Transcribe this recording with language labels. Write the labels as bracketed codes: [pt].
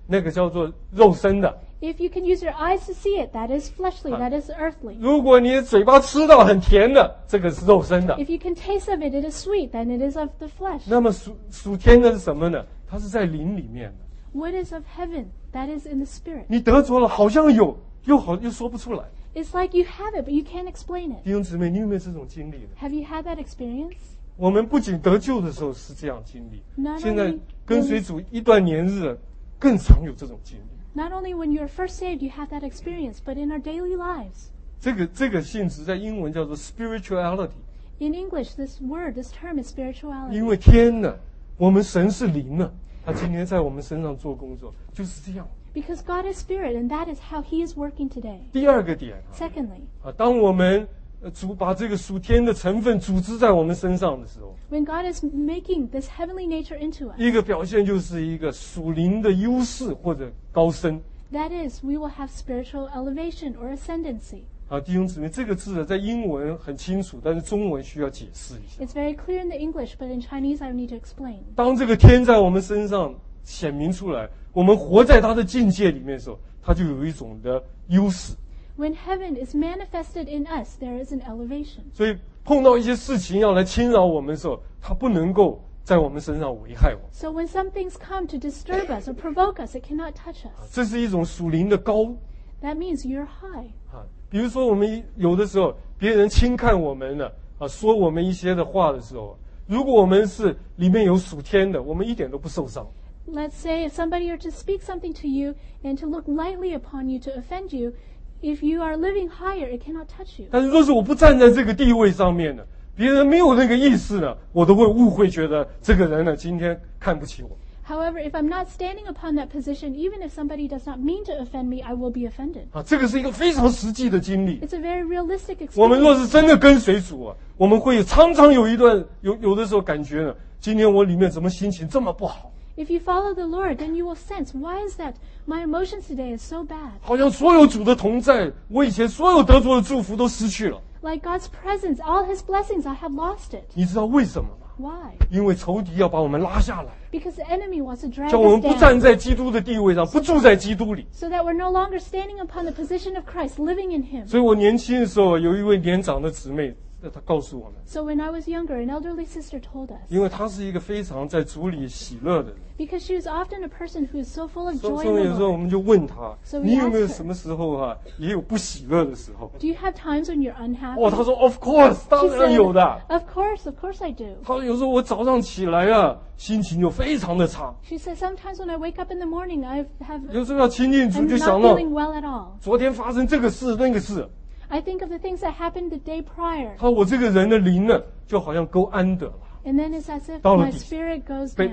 [zh] 那个叫做肉身的。 [en] If you can use your eyes to see it, that is fleshly, that is earthly. [zh] 如果你嘴巴吃到很甜的，这个是肉身的。 [en] If you can taste of it, it is sweet, then it is of the flesh. [zh] 那么属天的是什么呢？它是在灵里面的。 [en] What is of heaven? That is in the spirit. [zh] 你得着了，好像有，又说不出来。 [en] It's like you have it, but you can't explain it. [zh] 弟兄姊妹，你有没有这种经历呢？ [en] Have you had that experience? [zh] 我们不仅得救的时候是这样经历， [en] Not only [zh] 现在跟随主一段年日。更常有这种经历。 [en] Not only when you are first saved, you have that experience, but in our daily lives. [zh] 这个性质在英文叫做 spirituality. [en] In English, this word, this term is spirituality. [zh] 因为天呢，我们神是灵呢，他今天在我们身上做工作，就是这样。 [en] Because God is spirit, and that is how He is working today. [zh] 第二个点。 [en] Secondly. [zh] 当我们主把这个属天的成分组织在我们身上的时候， [en] When God is making this heavenly nature into us， [zh] 一个表现就是一个属灵的优势或者高升。 [en] That is, we will have spiritual elevation or ascendancy. [zh] 弟兄姊妹，这个字在英文很清楚，但是中文需要解释一下。 [en] It's very clear in the English, but in Chinese I need to explain. [zh] 当这个天在我们身上显明出来，我们活在它的境界里面的时候，它就有一种的优势。 [en] When heaven is manifested in us, there is an elevation. [zh] 所以碰到一些事情要来侵扰我们的时候，它不能够在我们身上危害我们。 [en] So when some things come to disturb us or provoke us, it cannot touch us. [zh] 这是一种属灵的高。 [en] That means you're high. [zh] 比如说我们有的时候别人轻看我们了，说我们一些的话的时候，如果我们是里面有属天的，我们一点都不受伤。 [en] Let's say if somebody were to speak something to you and to look lightly upon you to offend you,If you are living higher, it cannot touch you. [zh] 但是若是我不站在这个地位上面呢，别人没有那个意思呢，我都会误会，觉得这个人呢今天看不起我。 [en] However, if I'm not standing upon that position, even if somebody does not mean to offend me, I will be offended. [zh] 这个是一个非常实际的经历。 [en] It's a very realistic experience. [zh] 我们若是真的跟随主啊，我们会常常有一段有的时候感觉呢，今天我里面怎么心情这么不好。 [en] If you follow the Lord, then you will sense why is that my emotions today is so bad. [zh] 好像所有主的同在，我以前所有得着的祝福都失去了。 [en] Like God's presence, all His blessings, I have lost it. [zh] 你知道为什么吗？ [en] Why? [zh] 因为仇敌要把我们拉下来。 [en] Because the enemy wants to drag us down. [zh] 叫我们不站在基督的地位上，不住在基督里。 [en] So that we're no longer standing upon the position of Christ, living in Him. [zh] 所以我年轻的时候，有一位年长的姊妹。他告诉我们 [en] So when I was younger, an elderly sister told us. [zh] 因为她是一个非常在主里喜乐的人。 [en] Because she was often a person who is so full of joy. [zh] 所以有时候我们就问她 [en] So we asked her, [zh] 你有没有什么时候啊，也有不喜乐的时候？ [en] Do you have times when you're unhappy? [zh] 哇，她说 [en] Of course, [zh] 当然有的。 [en] Of course I do. [zh] 她说有时候我早上起来啊，心情就非常的差。 [en] She said sometimes when I wake up in the morning, I have. [zh] 有时候要亲近主，就想到 [en] I'm not feeling well at all. [zh] 昨天发生这个事，那个事。 [en] I think of the things that happened the day prior. [zh] 他说我这个人的灵呢，就好像勾安德了。 [en] And then it's as if my spirit goes down.